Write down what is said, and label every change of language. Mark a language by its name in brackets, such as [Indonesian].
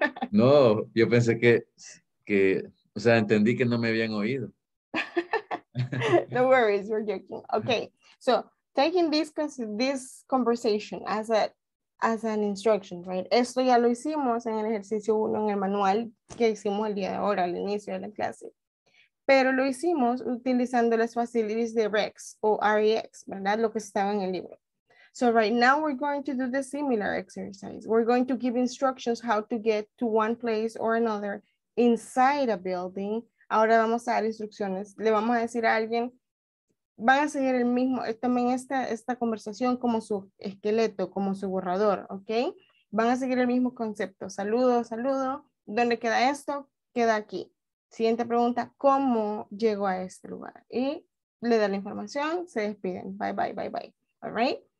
[Spanish] No, yo pensé que, o sea, entendí que no me habían oído. [English] No worries, we're joking. Okay, so taking this conversation as an instruction, right? [Spanish] Esto ya lo hicimos en el ejercicio 1 en el manual que hicimos el día de ahora, al inicio de la clase. Pero lo hicimos utilizando las facilities de REX o REX, ¿verdad? Lo que estaba en el libro. [English] So right now we're going to do the similar exercise. We're going to give instructions how to get to one place or another inside a building. [Spanish] Ahora vamos a dar instrucciones. Le vamos a decir a alguien, van a seguir el mismo, también esta conversación como su esqueleto, como su borrador, ¿ok? Van a seguir el mismo concepto. Saludo, saludo. ¿Dónde queda esto? Queda aquí. Siguiente pregunta, ¿cómo llego a este lugar? Y le da la información, se despiden. [English] Bye, bye, bye, bye. All right?